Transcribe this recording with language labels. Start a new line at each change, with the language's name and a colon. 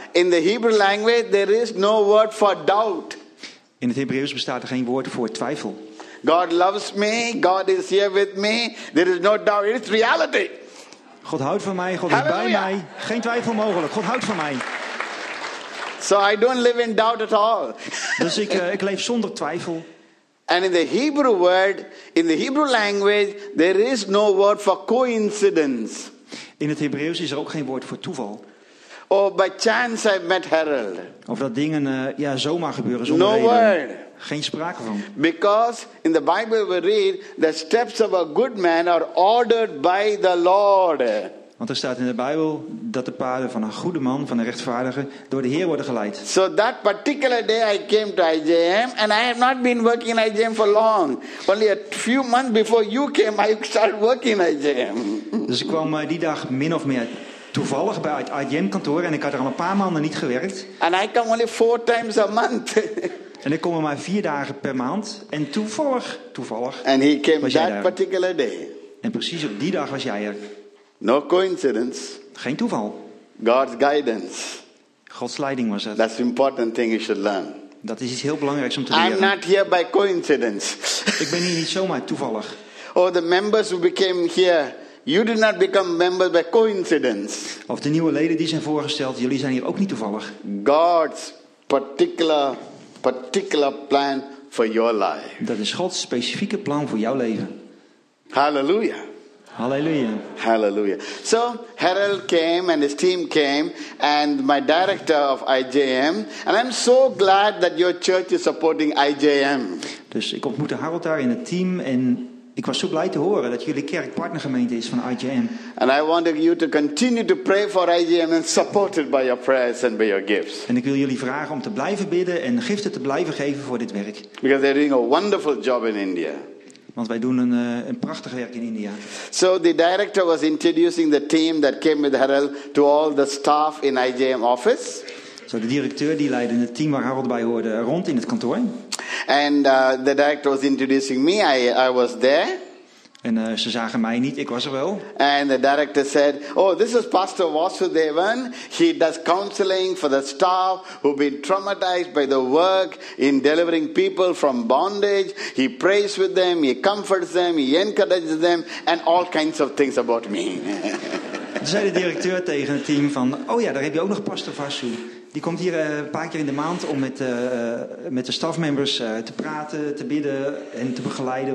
English: In the Hebrew language there is no word for doubt.
Dutch: In het Hebreeuws bestaat er geen woord voor twijfel.
English: God loves me. God is here with me. There is no doubt. It's reality.
Dutch: God houdt van mij. God is bij mij. Geen twijfel mogelijk. God houdt van mij.
English: So I don't live in doubt at all.
Dutch: Dus ik leef zonder twijfel.
English: And in the Hebrew word, in the Hebrew language, there is no word for coincidence.
Dutch: In het Hebreeuws is er ook geen woord voor toeval.
English: Oh, by chance I met Harold.
Dutch: Of dat dingen zomaar gebeuren zonder
English: no
Dutch: reden.
English: Word.
Dutch: Geen sprake van.
English: Because in the Bible we read the steps of a good man are ordered by the Lord.
Dutch: Want er staat in de Bijbel dat de paden van een goede man, van een rechtvaardige, door de Heer worden geleid.
English: So that particular day I came to IJM and I have not been working in IJM for long. Only a few months before you came I started working in IJM.
Dutch: Dus ik kwam die dag min of meer toevallig bij het IJM kantoor en ik had er al een paar maanden niet gewerkt.
English: And I come only four times a month.
Dutch: En ik kom er maar vier dagen per maand en toevallig
English: and he came that particular day.
Dutch: En precies op die dag was jij er.
English: No coincidence.
Dutch: Geen toeval.
English: God's guidance.
Dutch: Gods leiding was het.
English: That's an important thing you should learn.
Dutch: Dat is iets heel belangrijks om te leren.
English: I'm not here by coincidence.
Dutch: Ik ben hier niet zomaar toevallig.
English: Oh, the members who became here, you did not become members by coincidence.
Dutch: Of de nieuwe leden die zijn voorgesteld, jullie zijn hier ook niet toevallig.
English: God's particular plan for your life.
Dutch: Dat is Gods specifieke plan voor jouw leven. Hallelujah. Hallelujah. Hallelujah.
English: So Harold came and his team came and my director of IJM and I'm so glad that your church is supporting IJM.
Dutch: Dus ik ontmoette Harold daar in het team en ik was zo blij te horen dat jullie kerkpartnergemeente is van IJM.
English: And I want you to continue to pray for IJM and supported by your prayers and by your gifts.
Dutch: En ik wil jullie vragen om te blijven bidden en giften te blijven geven voor dit werk.
English: Because they're doing a wonderful job in India.
Dutch: Want wij doen een prachtig werk in India.
English: So the director was introducing the team that came with Harold to all the staff in IJM office.
Dutch: So de directeur die leidde het team waar Harold bij hoorde rond in het kantoor.
English: And the director was introducing me. I was there.
Dutch: En ze zagen mij niet. Ik was er wel.
English: And the director said, "Oh, this is Pastor Vasudevan. He does counseling for the staff who've been traumatized by the work in delivering people from bondage. He prays with them, he comforts them, he encourages them, and all kinds of things about me."
Dutch: Toen zei de directeur tegen het team van, "Oh ja, daar heb je ook nog Pastor Vasu. Die komt hier een paar keer in de maand om met de stafmembers te praten, te bidden en te begeleiden.